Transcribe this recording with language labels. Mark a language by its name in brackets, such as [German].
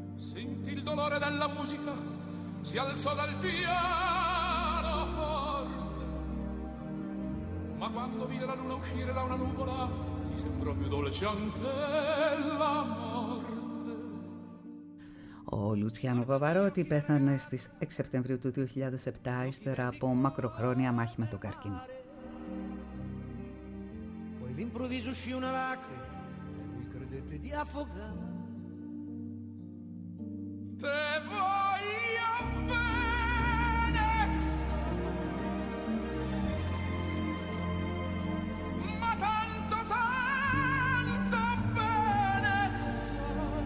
[Italian] Senti il dolore della musica, si alzò dal piano forte. Ma quando vide la luna uscire da una nuvola, mi sembra più dolce anche la morte. [Greek] Ο Λουτσιάνο Παπαρότη πέθανε στις 6 Σεπτεμβρίου του 2007 ύστερα από μακροχρόνια μάχη με τον καρκίνο. [Italian] Poi l'improvviso uscì una lacrima e lui credette di affogare. [Neapolitan] Te voglio bene, ma tanto, tanto bene so.